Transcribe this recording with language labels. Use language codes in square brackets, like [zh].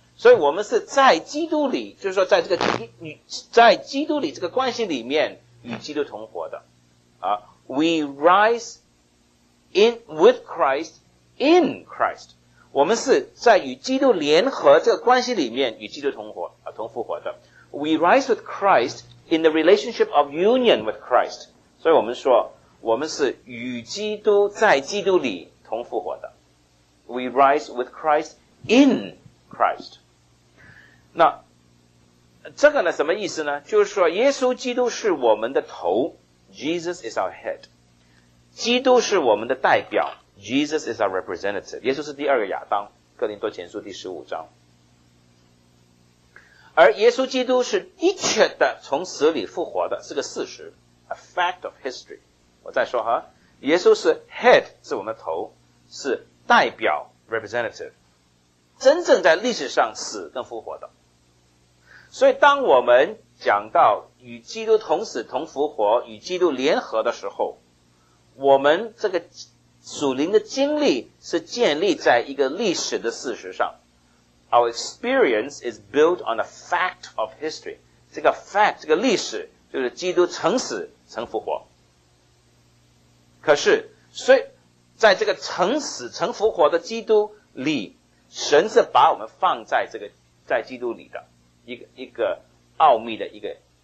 [zh] 所以我们是在基督里，就是说在这个在基督里这个关系里面与基督同活的， [en] We rise in with Christ in Christ。 [zh] 我们是在与基督联合这个关系里面与基督同活同复活的。 [en] We rise with Christ in the relationship of union with Christ。 [zh] 所以我们说我们是与基督在基督里同复活的。 [en] We rise with Christ in Christ。 [zh] 那这个呢什么意思呢？就是说耶稣基督是我们的头， [en] Jesus is our head。 [zh] 基督是我们的代表， [en] Jesus is our representative。 [zh] 耶稣是第二个亚当，哥林多前书第十五章。而耶稣基督是的确的从死里复活的，是个事实， [en] A fact of history。 [zh] 我再说哈，耶稣是 head， 是我们的头，是代表 representative， 真正在历史上死跟复活的。所以当我们讲到与基督同死同复活，与基督联合的时候，我们这个属灵的经历是建立在一个历史的事实上。 [en] Our experience is built on a fact of history。 [zh] 这个 fact， 这个历史就是基督曾死曾复活。可是所以在这个曾死曾复活的基督里，神是把我们放在这个在基督里的一个奥秘的一个